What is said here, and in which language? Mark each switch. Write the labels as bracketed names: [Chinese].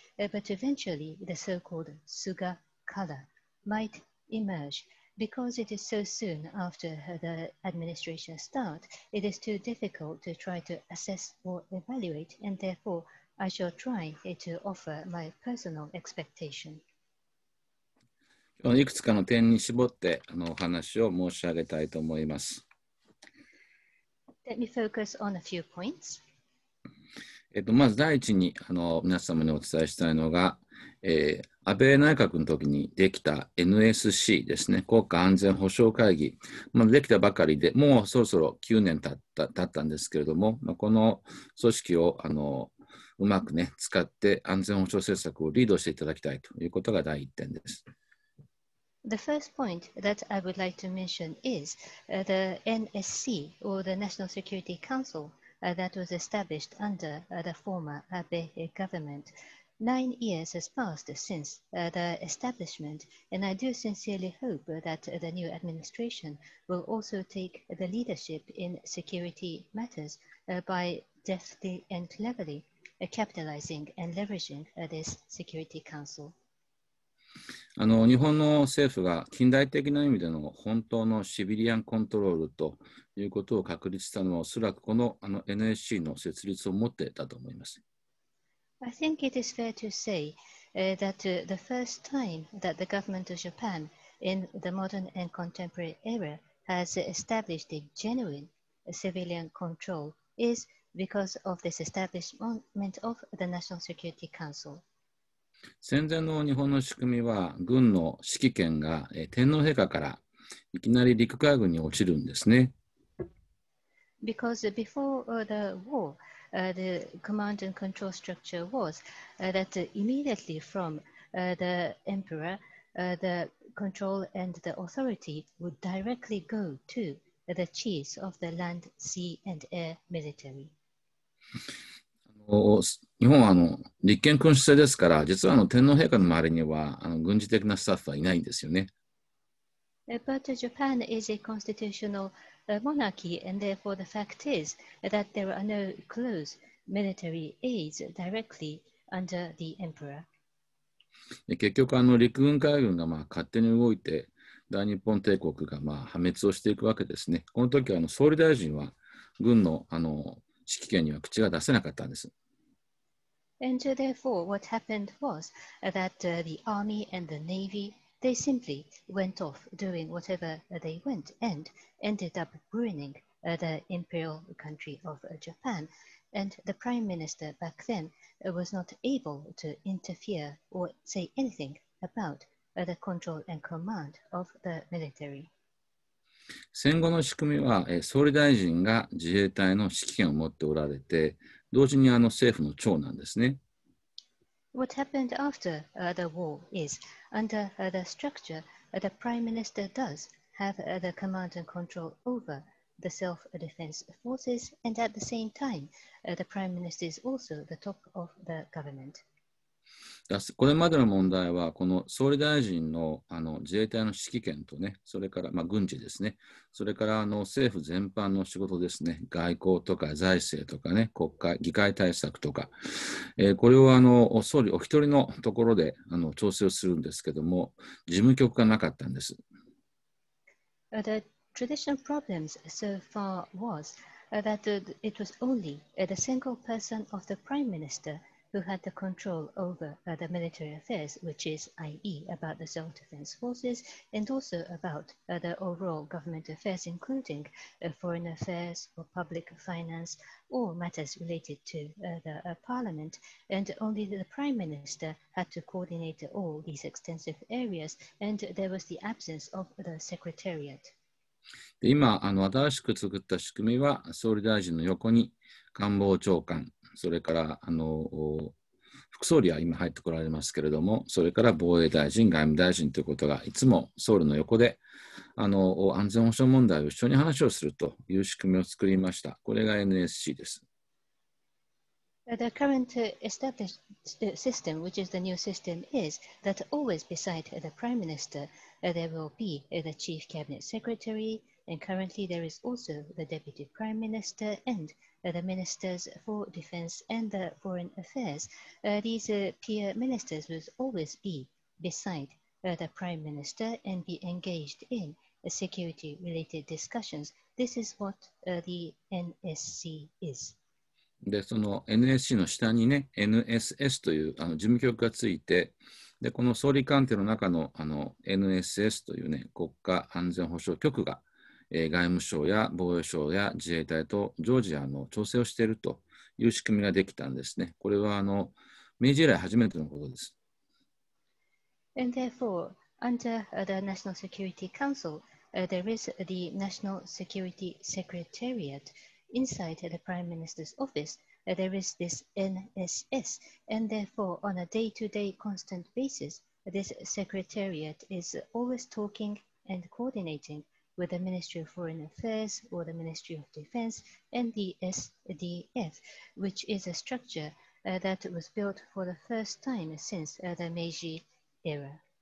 [English] But eventually, the so-called Suga color might emerge. Because it is so soon after the administration start, it is too difficult to try to assess or evaluate, and therefore I shall try to offer my personal expectation. [Japanese] いくつかの点に絞ってあのお話を申し上げたいと思います。 [English] Let me focus on a few points. [Japanese] まず第一にあの皆様にお伝えしたいのが、安倍内閣の時にできた NSC ですね、国家安全保障会議、まあ、できたばかりで、もうそろそろ9年経ったんですけれども、まあ、この組織をあのうまく、ね、使って安全保障政策をリードしていただきたいということが第一点です。 [English] The first point that I would like to mention is the NSC, or the National Security Council, that was established under the former Abe government. 9 years has passed since the establishment, and I do sincerely hope that the new administration will also take the leadership in security matters by deftly and cleverly capitalizing and leveraging this Security Council. [Japanese] あの日本の政府が近代的な意味での本当のシビリアンコントロールということを確立したのは、おそらくこの、あの NSC の設立をもってだと思います。 [English] I think it is fair to say that the first time that the government of Japan in the modern and contemporary era has established a genuine civilian control is because of this establishment of the National Security Council. [Japanese] 戦前の日本の仕組みは軍の指揮権が天皇陛下からいきなり陸海軍に落ちるんですね。 [English] Because before the war, the command and control structure was that immediately from the emperor, the control and the authority would directly go to the chiefs of the land, sea and air military. [Japanese] 日本はあの立憲君主制ですから、実はあの天皇陛下の周りにはあの軍事的なスタッフはいないんですよね。 [English] But Japan is a constitutional monarchy, and therefore the fact is that there are no close military aides directly under the emperor. [Japanese] 結局あの陸軍海軍がまあ勝手に動いて大日本帝国がまあ破滅をしていくわけですね。この時はあの総理大臣は軍のあの指揮権には口が出せなかったんです。 [English] And therefore what happened was that the army and the navy, they simply went off doing whatever they went and ended up ruining the imperial country of Japan. And the prime minister back then was not able to interfere or say anything about the control and command of the military. [Japanese] 戦後の仕組みは、総理大臣が自衛隊の指揮権を持っておられて、同時にあの政府の長なんですね。 [English] What happened after the war is, under the structure, the prime minister does have the command and control over the self-defense forces, and at the same time, the prime minister is also the top of the government. [Japanese] これまでの問題は、この総理大臣 の, あの自衛隊の指揮権とね、それから、まあ、軍事ですね、それからあの政府全般の仕事ですね、外交とか財政とかね、国会、議会対策とか、これをあの総理お一人のところであの調整をするんですけども、事務局がなかったんです。 [English] The traditional problems so far was that it was only the single person of the prime ministerwho had the control over the military affairs, which is i.e. about the self-defense forces, and also about the overall government affairs, including foreign affairs or public finance or matters related to the parliament. And only the prime minister had to coordinate all these extensive areas, and there was the absence of the secretariat. [Japanese] で今あの、新しく作った仕組みは、総理大臣の横に官房長官、それからあの副総理は今入ってこられますけれども、それから防衛大臣、外務大臣ということがいつも総理の横で安全保障問題を一緒に話をするという仕組みを作りました。これが NSC です。 [English] The current established system, which is the new system, is that always beside the Prime Minister, there will be the Chief Cabinet Secretary, and currently there is also the Deputy Prime Minister and the Ministers for Defense and the Foreign Affairs. These peer ministers will always be beside the Prime Minister and be engaged in security-related discussions. This is what the NSC is. [Japanese] でその NSC の下にね、NSS という事務局がついて、でこの総理官邸の中 の, NSS というね、国家安全保障局が、外務省や防衛省や自衛隊と常時調整をしているという仕組みができたんですね。これは明治以来初めてのことです。 [English] And therefore, under the National Security Council, there is the National Security Secretariat. Inside the Prime Minister's office, there is this NSS, and therefore, on a day-to-day constant basis, this secretariat is always talking and coordinating with the Ministry of Foreign Affairs or the Ministry of Defense and the SDF, which is a structure that was built for the first time since the Meiji era.